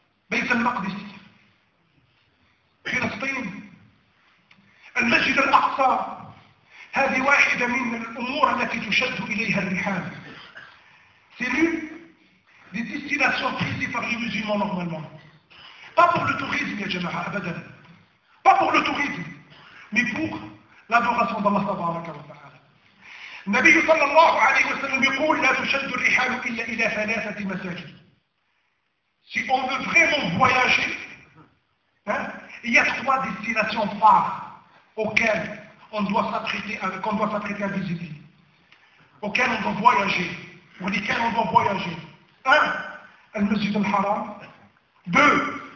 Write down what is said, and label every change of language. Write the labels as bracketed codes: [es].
[ar] بيت المقدس فلسطين المسجد الأقصى هذه واحدة من الأمور التي تشد إليها الرحال. [fr] C'est l'une des destinations prisées par les musulmans normalement. Pas pour le tourisme, [ar] يا جماعة أبدا. [fr] Pas pour le tourisme. Mais pour l'adoration d'Allah تبارك وتعالى. [ar] النبي صلى الله عليه وسلم يقول لا تشد الرحال إلا إلى 3 مساجد. [fr] Si on veut vraiment voyager, hein, il y a 3 destinations phares auxquelles on doit s'apprêter à visiter, auxquelles on doit voyager, ou lesquelles on doit voyager. 1. Al-Masjid al-Haram. 2.